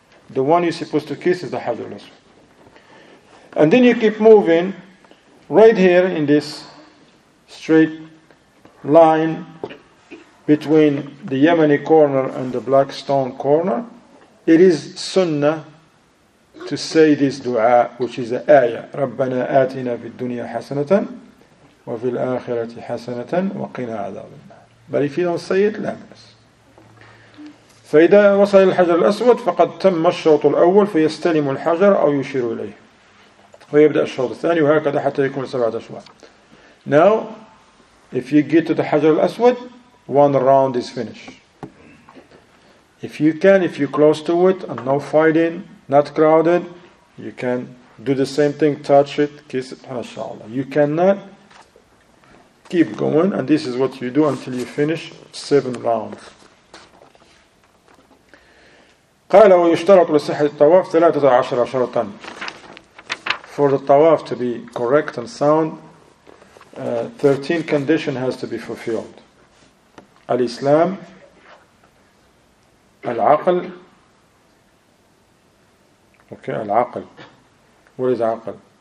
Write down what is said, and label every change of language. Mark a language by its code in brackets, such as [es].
[en] The one you're supposed to kiss is the Hajar al-Aswad. And then you keep moving right here in this straight line between the Yemeni corner and the black stone corner. It is sunnah to say this dua, which is the ayah. [ar] رَبَّنَا آتِنَا فِي الدُّنْيَا حَسَنَةً وَفِي الْآخِرَةِ حَسَنَةً وَقِنَا عَذَابَ النَّارِ. [en] But if you don't say it, [ar] لا بأس. فإذا وصل الحجر الأسود فقد تم الشوط الأول فيستلم الحجر أو يشير إليه ويبدأ الشوط الثاني وهكذا حتى يكون سبعة أشواط. [en] Now, if you get to the حجر الأسود, one round is finished. If you can, if you're close to it and no fighting, not crowded, you can do the same thing, touch it, kiss it, inshallah. You cannot, keep going, and this is what you do until you finish seven rounds. [ar] قال ويشترط لصحة الطواف 13 شرطا. [en] For the tawaf to be correct and sound, 13 condition has to be fulfilled. Al-Islam, Al-Aql, okay, Al-Aql. What is Aql?